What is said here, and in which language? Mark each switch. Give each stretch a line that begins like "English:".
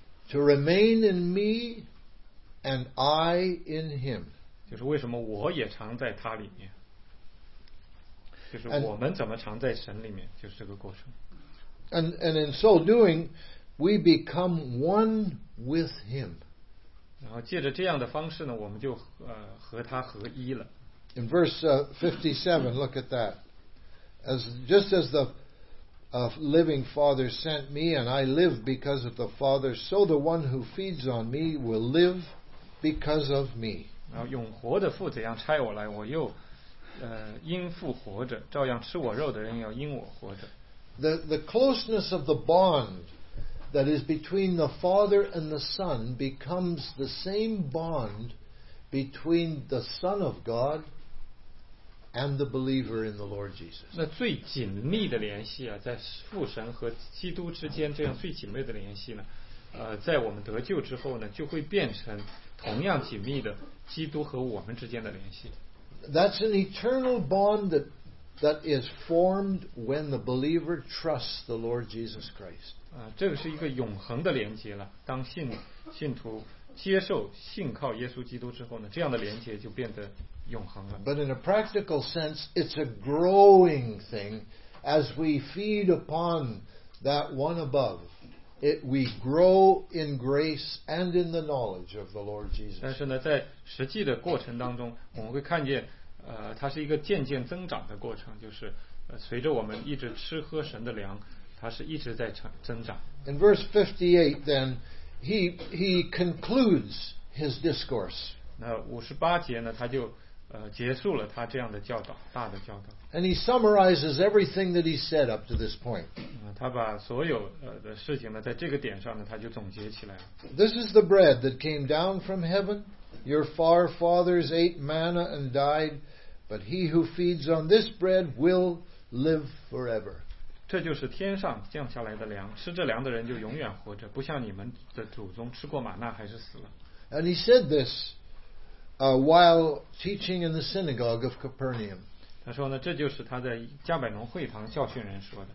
English: To remain in me, and I in him.
Chinese: 就是为什么我也常在他里面，就是我们怎么常在神里面，就是这个过程。
English: And in so doing, we become one with him.
Chinese: 然后借着这样的方式呢，我们就和他合一了。
English: In verse 57, look at that. Just as the living Father sent me, and I live because of the Father, so the one who feeds on me will live because of me.
Chinese: 然后永活的父怎样差我来，我又因父活着，照样吃我肉的人要因我活着。
English: The closeness of the bond that is between the Father and the Son becomes the same bond between the Son of God. And the believer in the Lord Jesus.
Chinese: 那最紧密的联系啊，在父神和基督之间这样最紧密的联系呢，在我们得救之后呢，就会变成同样紧密的基督和我们之间的联系。
English: That's an eternal bond that is formed when the believer trusts the Lord Jesus Christ.
Chinese: 这个是一个永恒的连接了。当信徒接受信靠耶稣基督之后呢，这样的连接就变得。
English: But in a practical sense, it's a growing thing. As we feed upon that one above, we grow in grace and in the knowledge of the Lord Jesus.
Chinese: 但是呢，在实际的过程当中，我们会看见，它是一个渐渐增长的过程，就是随着我们一直吃喝神的粮，它是一直在增长。
English: In verse 58, then he concludes his discourse.
Chinese: 那五十八节呢，他就结束了他这样的教导，大的教导。
English: And he summarizes everything that he said up to this point.
Chinese: 他把所有的事情呢，在这个点上呢，他就总结起来了。
English: This is the bread that came down from heaven. Your forefathers ate manna and died, but he who feeds on this bread will live forever.
Chinese: 这就是天上降下来的粮，吃这粮的人就永远活着，不像你们的祖宗吃过玛纳还是死了。
English: And he said this. While teaching in the synagogue of Capernaum.
Chinese: 他说呢，这就是他在加百农会堂教训人说的。